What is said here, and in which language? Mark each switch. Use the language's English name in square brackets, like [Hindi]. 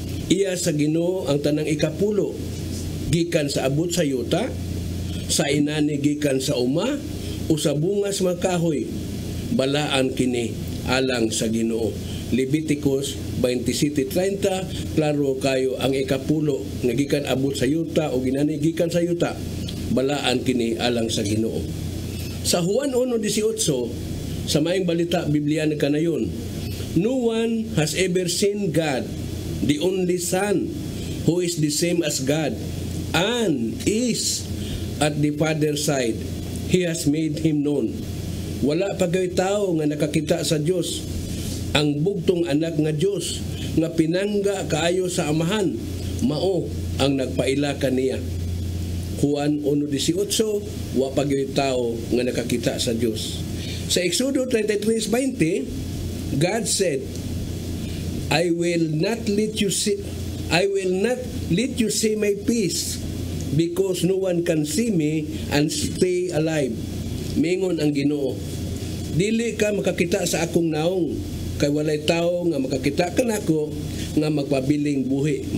[Cebuano] Iya sa Ginoo ang tanang ikapulo, gikan sa abot sa yuta, sa inani gikan sa uma, o sa bungas mga kahoy, balaan kini alang sa Ginoo. Leviticus 27:30, klaro kayo ang ikapulo, nga gikan abot sa yuta o inani gikan sa yuta, balaan kini alang sa Ginoo. Sa Juan 1:18, sa maing balita, Biblian ka na yun. [English] No one has ever seen God, the only Son, who is the same as God, and is at the Father's side. He has made Him known. [Cebuano] Wala pagay tao nga nakakita sa Diyos, ang bugtong anak nga Diyos, nga pinangga kaayo sa Amahan, mao ang nagpaila kaniya. Juan 1:18, wa pagay tao nga nakakita sa Diyos. [English] Sa Exodus 33:20, God said, I will not let you see my face because no one can see me and stay alive. [Cebuano] Mingon ang Ginoo, dili ka makakita sa akong naong, kay walay tao nga makakita kanako nga magpabiling buhi.